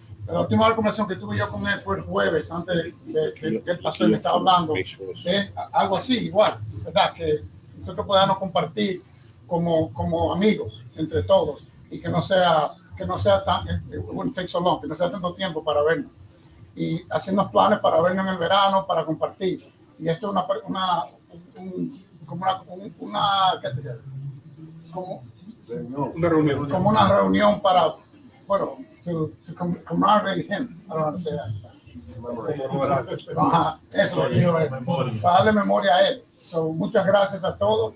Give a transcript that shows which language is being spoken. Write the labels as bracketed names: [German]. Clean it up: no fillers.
[Spanish] La última conversación que tuve yo con él fue el jueves, antes de que el pastor me estaba hablando. Algo así, igual, ¿verdad? Que nosotros podamos compartir como amigos entre todos y que no sea tanto tiempo para vernos. Y hacernos planes para vernos en el verano, para compartir. Y esto es una reunión para, bueno, [English] to commemorate him. I don't know how to say that. [Spanish] Eso, para darle memoria a él. So, muchas gracias a todos.